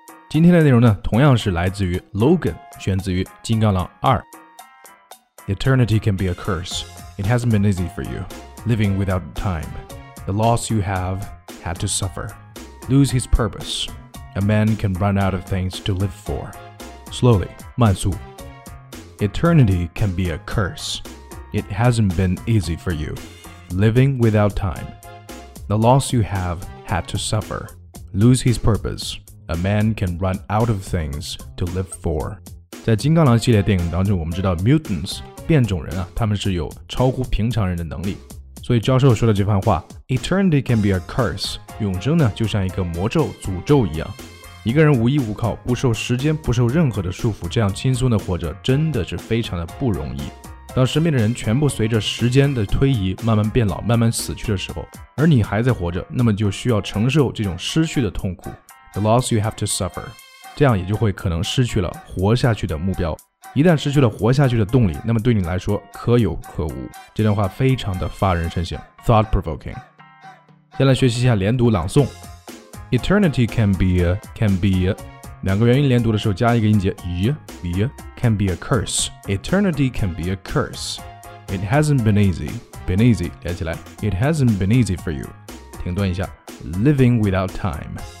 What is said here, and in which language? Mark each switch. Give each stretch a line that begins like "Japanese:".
Chinese: 今天的内容呢，同样是来自于 Logan， 选自于《金刚狼二》。
English: Eternity can be a curse. It hasn't been easy for you, living without time. The loss you have had to suffer. Lose his purpose. A man can run out of things to live for. Slowly,
Chinese: 慢速。
English: Eternity can be a curse. It hasn't been easy for you, living without time. The loss you have had to suffer. Lose his purpose. A man can run out of things to live for.
Chinese: 在金刚狼系列电影当中，我们知道 mutants 变种人啊，他们是有超乎平常人的能力。所以教授说的这番话 ，
English: Eternity can be a curse.
Chinese: 永生呢，就像一个魔咒、诅咒一样。一个人无依无靠，不受时间，不受任何的束缚，这样轻松的活着，真的是非常的不容易。当身边的人全部随着时间的推移，慢慢变老，慢慢死去的时候，而你还在活着，那么就需要承受这种失去的痛苦。
English: The loss you have to suffer，
Chinese: 这样也就会可能失去了活下去的目标。一旦失去了活下去的动力，那么对你来说可有可无。这段话非常的发人深省 ，
English: thought provoking。
Chinese: 先来学习一下连读朗诵。
English: Eternity can be a
Chinese: 两个元音连读的时候加一个音节
English: can be a curse. Eternity can be a curse. It hasn't been easy. Been easy
Chinese: 连起来
English: It hasn't been easy for you.
Chinese: 停顿一下
English: Living without time.